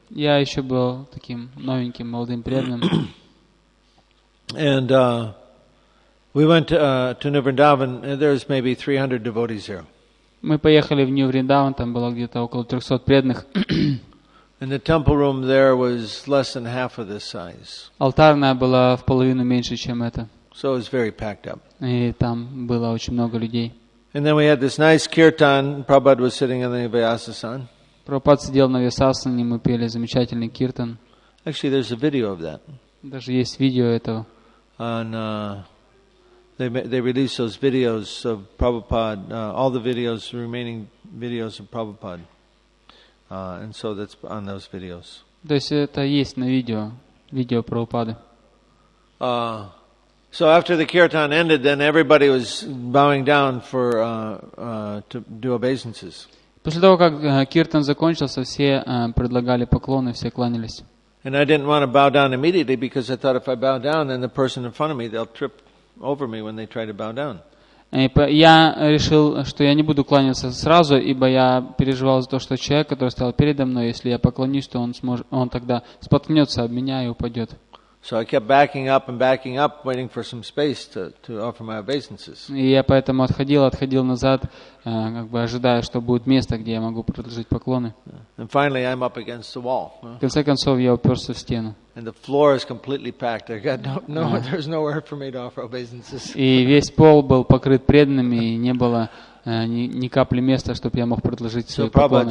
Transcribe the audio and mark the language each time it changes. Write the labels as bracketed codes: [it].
[ru] Я еще был таким новеньким, молодым преданным. [en] And we went to New Vrindavan, and there was maybe 300 devotees there. [ru] Мы поехали в Нью-Вриндаван, там было где-то около 300 преданных. [en] And the temple room there was less than half of this size. [ru] Алтарная была в половину меньше, чем это. [en] So it was very packed up. [ru] И там было очень много людей. [en] And then we had this nice kirtan. Prabhupada was sitting on the Vyasasan. [ru] Прабхупад сидел на Вьясасане, мы пели замечательный киртан. [en] Actually, there's a video of that. [ru] Даже есть видео этого. [en] And they released those videos of Prabhupada, all the videos, the remaining videos of Prabhupada. And so that's on those videos. [ru] То есть это есть на видео, видео Прабхупады. [en] So after the kirtan ended, then everybody was bowing down for to do obeisances. [ru] После того как киртан закончился, все предлагали поклоны, все кланялись. [en] And I didn't want to bow down immediately because I thought if I bow down, then the person in front of me they'll trip over me when they try to bow down. [ru] Я решил, что я не буду кланяться сразу, ибо я переживал за то, что человек, который стоял передо мной, если я поклонюсь, то он тогда споткнется об меня и упадет. [en] So I kept backing up and backing up, waiting for some space to offer my obeisances. [ru] И я поэтому отходил назад, как бы ожидая, что будет место, где я могу предложить поклоны. [en] And finally, I'm up against the wall. [ru] В конце концов, я уперся в стену. [en] And the floor is completely packed. I got no, there's nowhere for me to offer obeisances. [ru] И весь пол был покрыт преданными, и не было ни капли места, чтобы я мог предложить свои поклоны.